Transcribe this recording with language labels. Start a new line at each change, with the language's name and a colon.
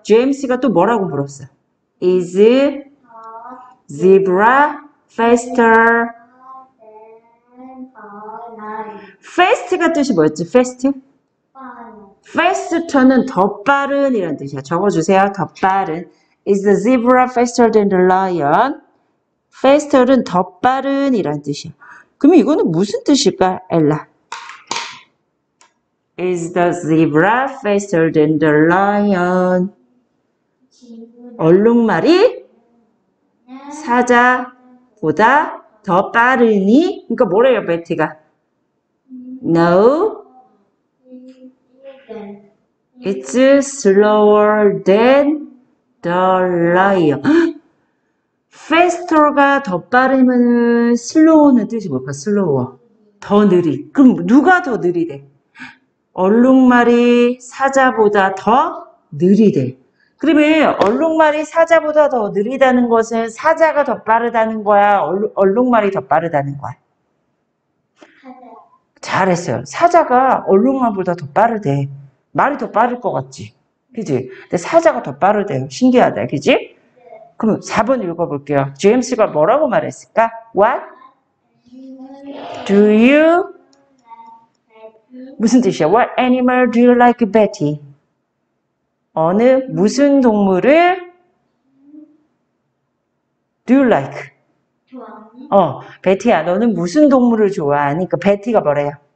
Korean: 제임스가 또 뭐라고 물었어?
English: Is zebra faster?
Korean: Fast가 뜻이 뭐였지?
English: Fast?
Korean: Faster는 더 빠른이란 뜻이야. 적어주세요. 더 빠른.
English: Is the zebra faster than the lion?
Korean: Faster은 더 빠른이란 뜻이야. 그럼 이거는 무슨 뜻일까, 엘라?
English: Is the zebra faster than the lion?
Korean: 얼룩말이 사자보다 더 빠르니? 그러니까 뭐래요, 베티가?
English: No. It's slower than the lion.
Korean: Faster가 더 빠르면 slow는 뜻이 뭘까? Slower. 더 느리. 그럼 누가 더 느리대? 얼룩말이 사자보다 더 느리대. 그러면 얼룩말이 사자보다 더 느리다는 것은 사자가 더 빠르다는 거야? 얼룩말이 더 빠르다는 거야? 잘했어요. 사자가 얼룩말보다 더 빠르대. 말이 더 빠를 것 같지? 그지? 근데 사자가 더 빠르대요. 신기하다. 그지? 그럼 4번 읽어볼게요. 제임스가 뭐라고 말했을까?
English: What? Do you?
Korean: 무슨 뜻이야?
English: What animal do you like, Betty?
Korean: 어느 무슨 동물을
English: do you like?
Korean: 좋아해. 어, 베티야, 너는 무슨 동물을 좋아하니까 베티가 뭐래요?